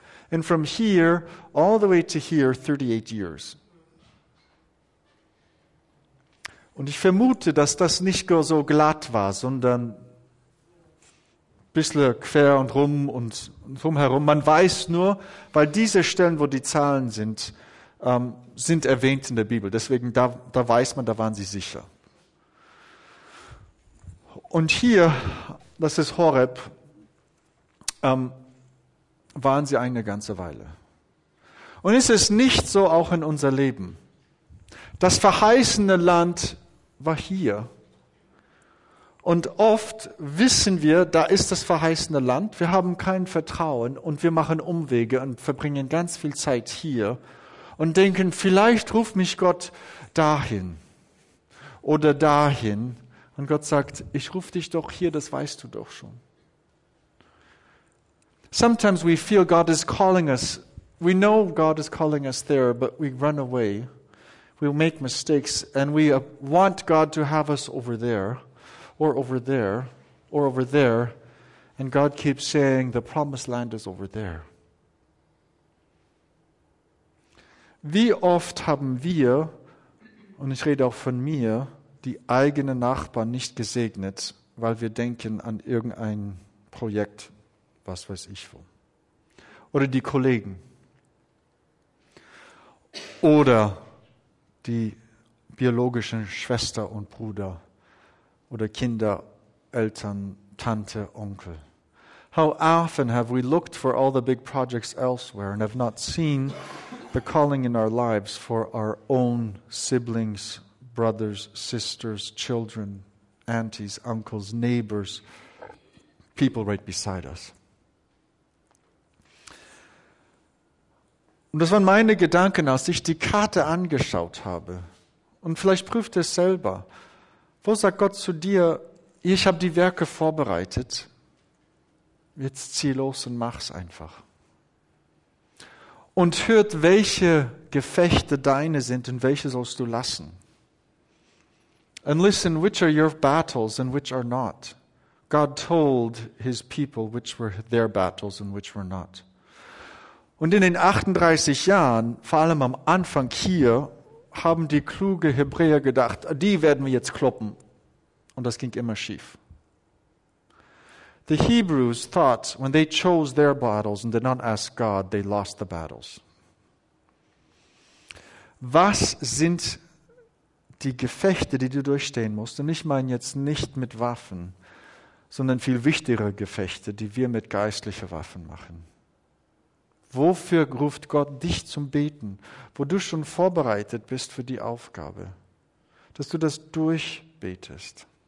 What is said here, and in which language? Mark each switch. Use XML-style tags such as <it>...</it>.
<en>And from here all the way to here, 38 years.</en> <de>Und ich vermute, dass das nicht nur so glatt war, sondern ein bisschen quer und rum und drumherum. Man weiß nur, weil diese Stellen, wo die Zahlen sind, sind erwähnt in der Bibel. Deswegen, da weiß man, da waren sie sicher. Und hier, das ist Horeb, waren sie eine ganze Weile. Und ist es nicht so auch in unser Leben? Das verheißene Land war hier. Und oft wissen wir, da ist das verheißene Land, wir haben kein Vertrauen und wir machen Umwege und verbringen ganz viel Zeit hier und denken, vielleicht ruft mich Gott dahin oder dahin. Und Gott sagt, ich rufe dich doch hier, das weißt du doch schon.</de> <en>Sometimes we feel God is calling us. We know God is calling us there, but we run away. We make mistakes and we want God to have us over there or over there or over there. And God keeps saying the promised land is over there.</en> <de>Wie oft haben wir, und ich rede auch von mir, die eigenen Nachbarn nicht gesegnet, weil wir denken an irgendein Projekt, was weiß ich wo. Oder die Kollegen. Oder die biologischen Schwester und Bruder. Oder Kinder, Eltern, Tante, Onkel.</de> <en>How often have we looked for all the big projects elsewhere and have not seen the calling in our lives for our own siblings, brothers, sisters, children, aunties, uncles, neighbors, people right beside us.</en> <de>Und das waren meine Gedanken, als ich die Karte angeschaut habe. Und vielleicht prüft es selber. Wo sagt Gott zu dir, ich habe die Werke vorbereitet, jetzt zieh los und mach's einfach. Und hört, welche Gefechte deine sind und welche sollst du lassen.</de> <en>And listen, which are your battles and which are not? God told his people which were their battles and which were not.</en> <de>Und in den 38 Jahren, vor allem am Anfang hier, haben die kluge Hebräer gedacht, die werden wir jetzt kloppen. Und das ging immer schief.</de> <en>The Hebrews thought, when they chose their battles and did not ask God, they lost the battles.</en> <de>Was sind die Gefechte, die du durchstehen musst, und ich meine jetzt nicht mit Waffen, sondern viel wichtigere Gefechte, die wir mit geistlichen Waffen machen. Wofür ruft Gott dich zum Beten, wo du schon vorbereitet bist für die Aufgabe, dass du das durchbetest?</de>